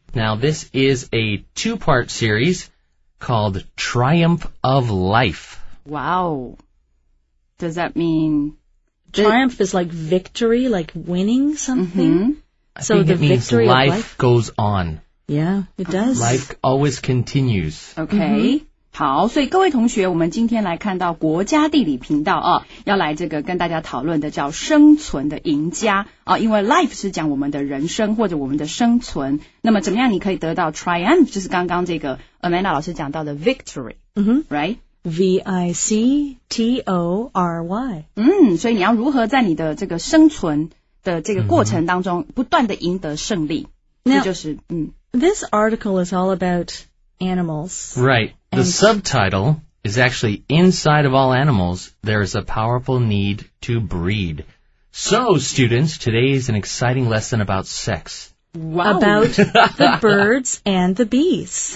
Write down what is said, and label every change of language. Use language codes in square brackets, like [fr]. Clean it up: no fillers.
[en] Now, this is a two-part series called Triumph of Life. Wow. Does that mean... Triumph is like victory, like winning something? Mm-hmm. So I think it means life goes on. Yeah, it does. Life always continues. Okay.、Mm-hmm. [zh] 好，所以各位同学，我们今天来看到国家地理频道啊，要来这个跟大家讨论的叫生存的赢家啊，因为 life 是讲我们的人生或者我们的生存。那么怎么样你可以得到 triumph, 就是刚刚这个 Amanda 老师讲到的 victory,、 mm-hmm. [en] right? V-I-C-T-O-R-Y. [zh] 嗯，所以你要如何在你的这个生存的这个过程当中不断地赢得胜利。 [en] This article is all about animals. Right. The subtitle is actually, inside of all animals, there is a powerful need to breed. So, students, today is an exciting lesson about sex. Wow. About the birds and the bees.、